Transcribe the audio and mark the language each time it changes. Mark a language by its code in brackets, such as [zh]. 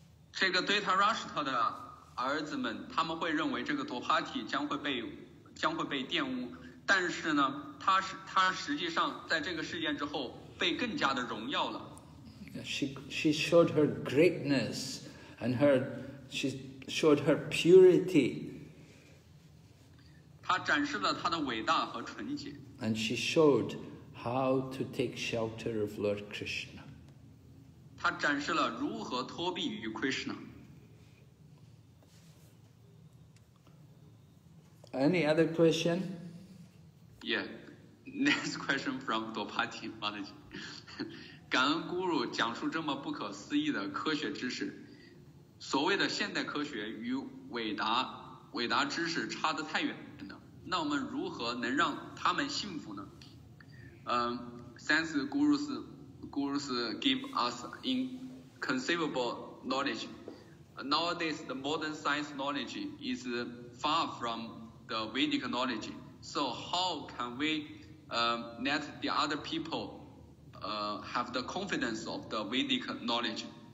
[zh] 这个 Dhritarashtra 的儿子们，他们会认为这个 Draupadi 将会被玷污，但是呢，她实际上在这个事件之后被更加的荣耀了。 [en] She showed her greatness and she showed her purity. [zh] 她展示了她的伟大和纯洁。 [en] And she showed how to take shelter of Lord Krishna. [zh] 她展示了如何托庇于 Krishna. [en] Any other question? Yeah. Next question from Draupadi Maharaj. [zh] 感恩 Guru 讲述这么不可思议的科学知识。所谓的现代科学与伟达知识差得太远。那我们如何能让他们幸福呢？ [en] Since gurus give us inconceivable knowledge, nowadays the modern science knowledge is far from the Vedic knowledge. So how can we let the other people have the confidence of the Vedic knowledge?